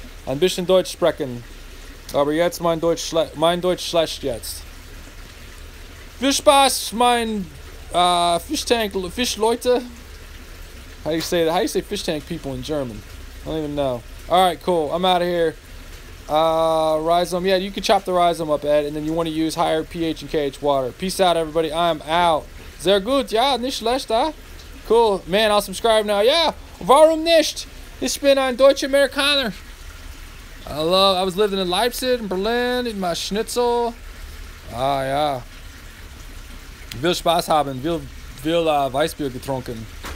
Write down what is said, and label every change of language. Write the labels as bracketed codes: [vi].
[de] ein bisschen Deutsch sprechen. Aber jetzt mein Deutsch schlecht jetzt. Viel Spaß, mein Fischleute. [en] How do you say that? How do you say fish tank people in German? I don't even know. All right, cool. I'm out of here. Rhizome. Yeah, you can chop the rhizome up, Ed, and then you want to use higher pH and KH water. Peace out, everybody. I'm out. [de] Sehr gut. Ja, nicht schlecht, ah? [en] Cool. Man, I'll subscribe now. [de] Yeah, warum nicht? Ich bin ein Deutscher Amerikaner. [en] I was living in Leipzig, in Berlin, in my schnitzel. [de] Ah, yeah. Viel Spaß haben. Viel Weißbier getrunken.